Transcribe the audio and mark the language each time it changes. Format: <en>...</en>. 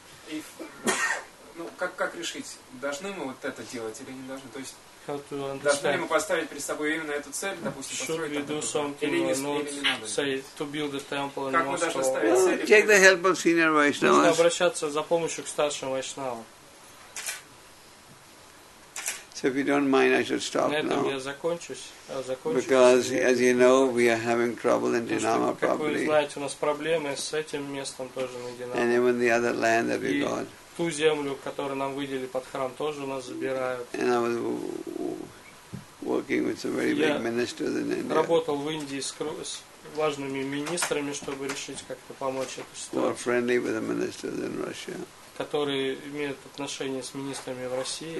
<ru>If, ну, как решить, должны мы вот это делать или не должны? То есть, должны ли мы поставить перед собой именно эту цель, допустим,</ru> <en>should</en> <ru>построить эту цель? Или не надо?</ru> <en>Say, to build a temple in</en> <ru>как</ru> <en>Moscow.</en> <ru>Мы должны ставить цели?</ru> <en>Well, take the help of senior Vaishnavas.</en> <ru>Нужно обращаться за помощью к старшим Вайшнавам.</ru> <en>So if you don't mind, I should stop now. Because, as you know, we are having trouble in Dinama probably.</en> <ru>Знаете, у нас проблемы с этим местом тоже на Динамо.</ru> <en>And even the other land that we got.</en> <ru>Ту землю, которую нам выделили под храм, тоже у нас забирают.</ru> <en>And I was working with some very big ministers in India.</en> <ru>Работал в Индии с важными министрами, чтобы решить как-то помочь этой ситуации.</ru> <en>Who are friendly with the ministers in Russia.</en> <ru>Которые имеют отношения с министрами в России.</ru>